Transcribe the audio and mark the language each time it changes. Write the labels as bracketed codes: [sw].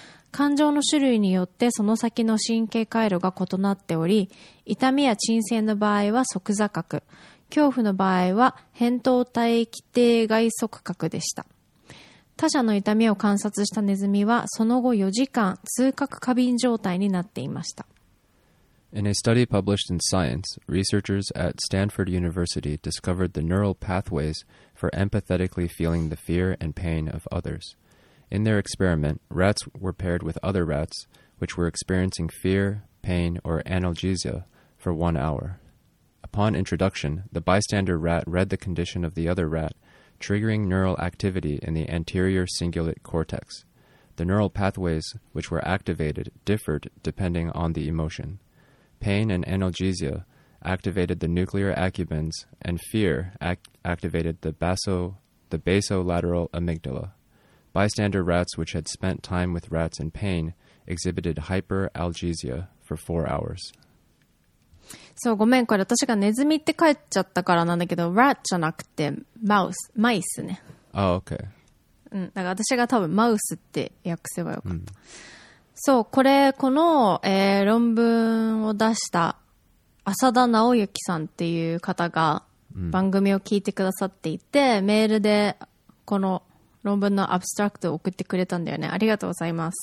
[ja] 感情の種類によってその先の神経回路が異なっており、痛みや鎮静の場合は即座核、恐怖の場合は扁桃体基底外側核でした。他者の痛みを観察したネズミはその後4時間痛覚過敏状態になっていました。 [en] In a study published in Science, researchers at Stanford University discovered the neural pathways for empathetically feeling the fear and pain of others. In their experiment, rats were paired with other rats which were experiencing fear, pain, or analgesia for 1 hour. Upon introduction, the bystander rat read the condition of the other rat, triggering neural activity in the anterior cingulate cortex. The neural pathways which were activated differed depending on the emotion. Pain and analgesia activated the nuclear accumbens, and fear activated the basolateral amygdala. Bystander rats which had spent time with rats in pain exhibited hyperalgesia for 4 hours. [ja] そう、ごめん、これ私がネズミって書いちゃったからなんだけど、ラッじゃなくてマウス、マイスね。 [en] あ、oh, OK、 [ja] うん、だから私が多分マウスって訳せばよかった、うん、そう、これこの、論文を出した浅田直之さんっていう方が番組を聞いてくださっていて、うん、メールでこの論文のアブストラクトを送ってくれたんだよね。ありがとうございます。